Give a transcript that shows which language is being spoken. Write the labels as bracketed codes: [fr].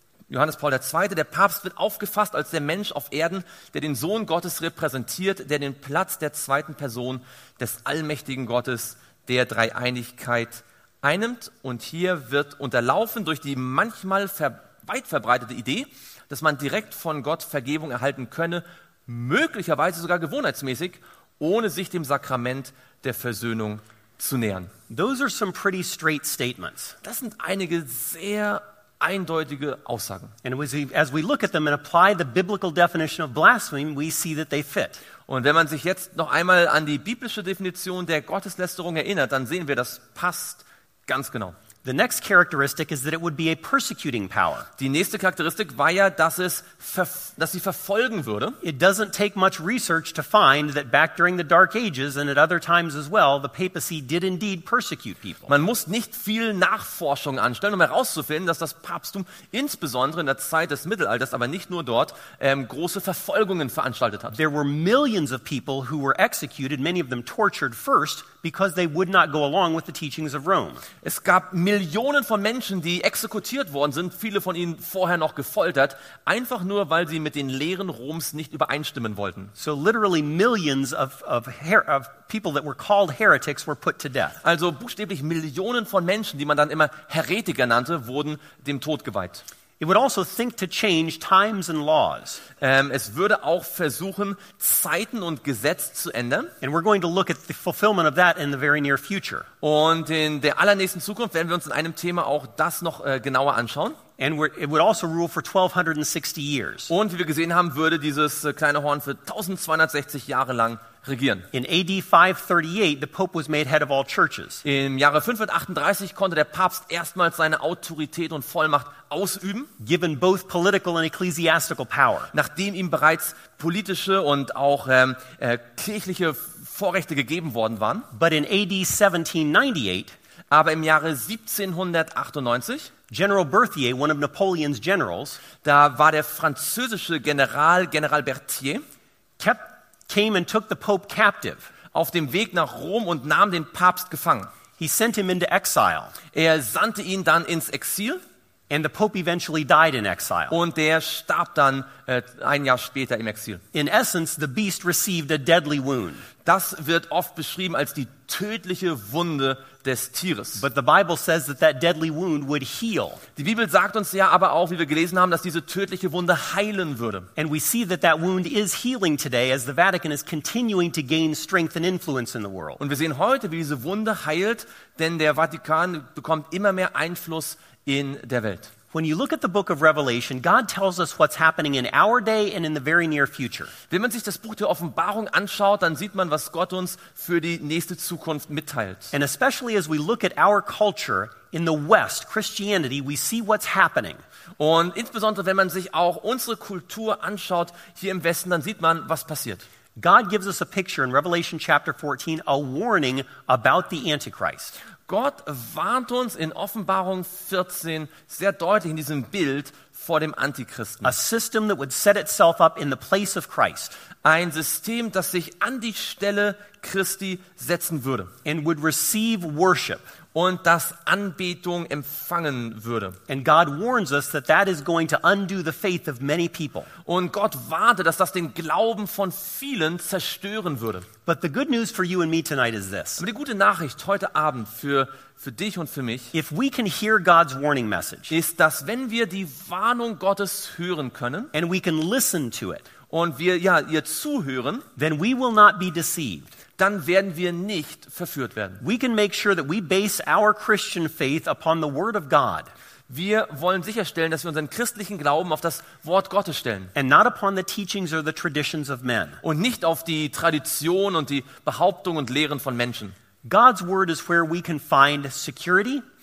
[de] Johannes Paul II., der Papst wird aufgefasst als der Mensch auf Erden, der den Sohn Gottes repräsentiert, der den Platz der zweiten Person des allmächtigen Gottes der Dreieinigkeit einnimmt. Und hier wird unterlaufen durch die manchmal weit verbreitete Idee, dass man direkt von Gott Vergebung erhalten könne, möglicherweise sogar gewohnheitsmäßig, ohne sich dem Sakrament der Versöhnung zu nähern. [en] Those are some pretty straight statements. [de] Das sind einige sehr eindeutige Aussagen. [en] And as we look at them and apply the biblical definition of blasphemy, we see that they fit. [de] Und wenn man sich jetzt noch einmal an die biblische Definition der Gotteslästerung erinnert, dann sehen wir, das passt ganz genau. [en] The next characteristic is that it would be a persecuting power. [de] Die nächste Charakteristik war ja, dass sie verfolgen würde. [en] It doesn't take much research to find that back during the Dark Ages and at other times as well, the papacy did indeed persecute people. [de] Man muss nicht viel Nachforschung anstellen, um herauszufinden, dass das Papsttum insbesondere in der Zeit des Mittelalters, aber nicht nur dort, große Verfolgungen veranstaltet hat. [en] There were millions of people who were executed, many of them tortured first, because they would not go along with the teachings of Rome. [de] Es gab Millionen von Menschen, die exekutiert worden sind, viele von ihnen vorher noch gefoltert, einfach nur, weil sie mit den Lehren Roms nicht übereinstimmen wollten. [en] So literally millions of people that were called heretics were put to death. [de] Also buchstäblich Millionen von Menschen, die man dann immer Heretiker nannte, wurden dem Tod geweiht. [en] It would also think to change times and laws. [de] Es würde auch versuchen, Zeiten und Gesetze zu ändern. [en] And we're going to look at the fulfillment of that in the very near future. [de] Und in der allernächsten Zukunft werden wir uns in einem Thema auch das noch genauer anschauen. [en] And it would also rule for 1260 years. [de] Und wie wir gesehen haben, würde dieses kleine Horn für 1260 Jahre lang regieren. [en] In AD 538, the Pope was made head of all churches. [de] Im Jahre 538 konnte der Papst erstmals seine Autorität und Vollmacht ausüben, [en] given both political and ecclesiastical power. [de] Nachdem ihm bereits politische und auch kirchliche Vorrechte gegeben worden waren. [en] But in AD 1798, [de] aber im Jahre 1798, [en] General Berthier, one of Napoleon's generals, [de] da war der französische General, General Berthier, [en] came and took the Pope captive, [de] auf dem Weg nach Rom und nahm den Papst gefangen. [en] He sent him into exile. [de] Er sandte ihn dann ins Exil. [en] And the Pope eventually died in exile. [de] Und der starb dann ein Jahr später im Exil. [en] In essence, the beast received a deadly wound. [de] Das wird oft beschrieben als die tödliche Wunde des Tieres. [en] But the Bible says that that deadly wound would heal. [de] Die Bibel sagt uns ja aber auch, wie wir gelesen haben, dass diese tödliche Wunde heilen würde. [en] And we see that that wound is healing today as the Vatican is continuing to gain strength and influence in the world. [de] Und wir sehen heute, wie diese Wunde heilt, denn der Vatikan bekommt immer mehr Einfluss in der Welt. [en] When you look at the book of Revelation, God tells us what's happening in our day and in the very near future. [de] Wenn man sich das Buch der Offenbarung anschaut, dann sieht man, was Gott uns für die nächste Zukunft mitteilt. [en] And especially as we look at our culture in the West, Christianity, we see what's happening. [de] Und insbesondere wenn man sich auch unsere Kultur anschaut hier im Westen, dann sieht man, was passiert. [en] God gives us a picture in Revelation chapter 14, a warning about the Antichrist. [de] Gott warnt uns in Offenbarung 14 sehr deutlich in diesem Bild vor dem Antichristen. [en] A system that would set itself up in the place of Christ. [de] Ein System, das sich an die Stelle Christi setzen würde. [en] And would receive worship. [de] Und das Anbetung empfangen würde. [en] And God warns us that that is going to undo the faith of many people. [de] Und Gott warnte, dass das den Glauben von vielen zerstören würde. [en] But the good news for you and me tonight is this. [de] Aber die gute Nachricht heute Abend für dich und für mich, [en] if we can hear God's warning message, [de] ist, dass wenn wir die Warnung Gottes hören können, [en] and we can listen to it, [de] und wir ja ihr zuhören, [en] then we will not be deceived. [de] Dann werden wir nicht verführt werden. [en] We can make sure that we base our Christian faith upon the word of God. [de] Wir wollen sicherstellen, dass wir unseren christlichen Glauben auf das Wort Gottes stellen. [en] And not upon the teachings or the traditions of men. [de] Und nicht auf die Tradition und die Behauptungen und Lehren von Menschen. [en] God's word is where we can find security.